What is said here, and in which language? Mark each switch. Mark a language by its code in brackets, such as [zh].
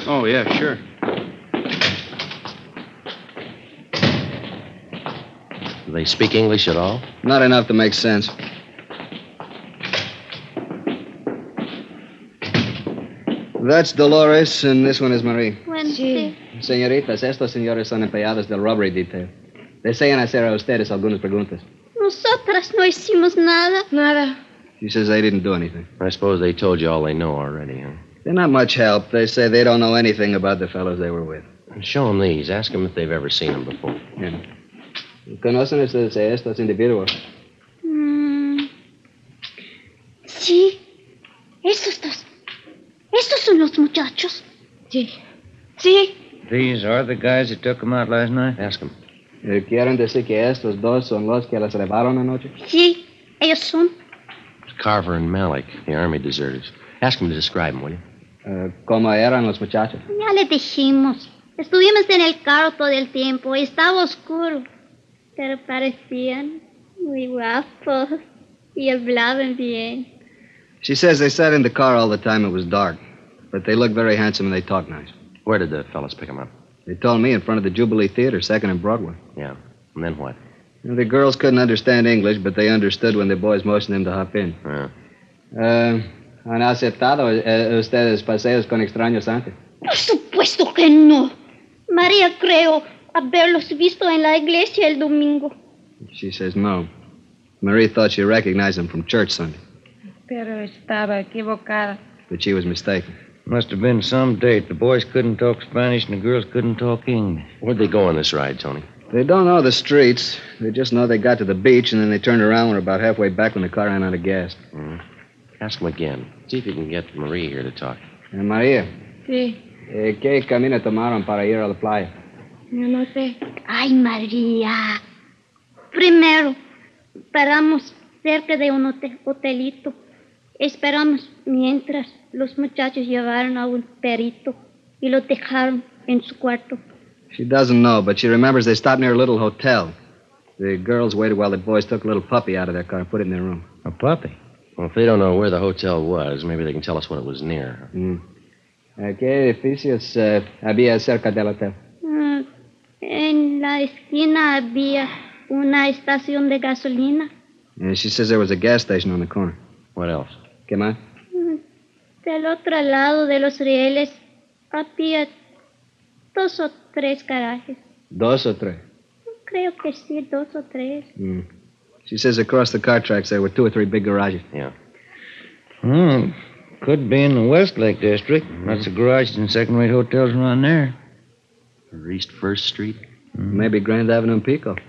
[en] Oh, yeah, sure. Do they speak English at all? Not enough to make sense. That's Dolores, and this one is Marie. [es] Buenos días. Señoritas, estos señores son empleados del robbery detail. Desean hacer a ustedes algunas preguntas. Nosotras no hicimos nada. Nada. [en] She says they didn't do anything. I suppose they told you all they know already, huh? They're not much help. They say they don't know anything about the fellows they were with. Show them these. Ask them if they've ever seen them before. Yeah. [es] ¿Conocen ustedes a estos individuos? Sí. Estos son los muchachos. Sí. Sí. [en] These are the guys that took them out last night? Ask them. [es] ¿Quieren decir que estos dos son los que las llevaron anoche? Sí. Ellos son. [en] Carver and Malik, the army deserters. Ask him to describe them, will you? [es] ¿Cómo eran los muchachos? Ya le dijimos. Estuvimos en el carro todo el tiempo. Estaba oscuro. Pero parecían muy guapos. Y hablaban bien. [en] She says they sat in the car all the time it was dark. But they looked very handsome and they talked nice. Where did the fellas pick them up? They told me in front of the Jubilee Theater, 2nd and Broadway. Yeah. And then what? The girls couldn't understand English, but they understood when the boys motioned them to hop in. Yeah. [es] ¿Han aceptado ustedes paseos con extraños antes? Por supuesto que no. María creo haberlos visto en la iglesia el domingo. [en] She says no. Marie thought she recognized them from church Sunday. [es] Pero estaba equivocada. [en] But she was mistaken. Must have been some date. The boys couldn't talk Spanish and the girls couldn't talk English. Where'd they go on this ride, Tony? They don't know the streets. They just know they got to the beach and then they turned around and were about halfway back when the car ran out of gas. Mm-hmm. Ask him again. See if you can get Marie here to talk. Maria? [es] Sí. ¿Qué camino tomaron para ir a la playa? Yo no sé. Ay, Maria. Primero, paramos cerca de un hotelito. Esperamos mientras los muchachos llevaron a un perrito y lo dejaron en su cuarto. [en] She doesn't know, but she remembers they stopped near a little hotel. The girls waited while the boys took a little puppy out of their car and put it in their room. A puppy? Well, if they don't know where the hotel was, maybe they can tell us when it was near. Mm. [es] ¿Qué edificios había cerca del hotel? En la esquina había una estación de gasolina. [en] And she says there was a gas station on the corner. What else? [es] ¿Qué más? Del otro lado de los rieles había dos o tres garajes. ¿Dos o tres? Creo que sí, dos o tres. Mm. [en] She says across the car tracks there were two or three big garages. Yeah. Hmm. Could be in the Westlake District. Mm-hmm. Lots of garages and second-rate hotels around there. Or East First Street. Mm-hmm. Maybe Grand Avenue and Pico.